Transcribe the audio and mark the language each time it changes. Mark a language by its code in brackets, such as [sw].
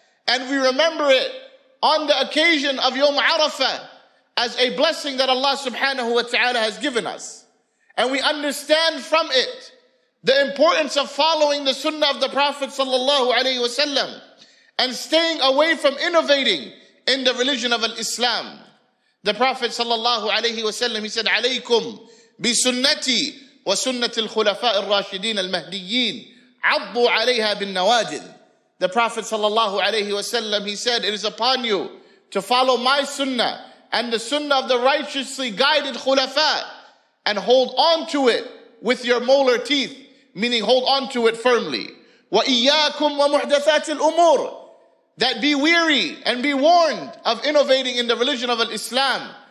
[en] And we remember it on the occasion of Yawm Arafah as a blessing that Allah subhanahu wa ta'ala has given us. And we understand from it the importance of following the Sunnah of the Prophet sallallahu alaihi wasallam and staying away from innovating in the religion of Islam. The Prophet sallallahu alaihi wasallam, he said, [ar] عليكم بسنتي وسنة الخلفاء الراشدين المهديين عضوا عليها بالنواجذ. [en] The Prophet sallallahu alaihi wasallam, he said, it is upon you to follow my sunnah and the sunnah of the righteously guided khulafa and hold on to it with your molar teeth, meaning hold on to it firmly. [ar] وَإِيَّاكُمْ وَمُحْدَثَاتِ الْأُمُورِ, [en] that be weary and be warned of innovating in the religion of Islam.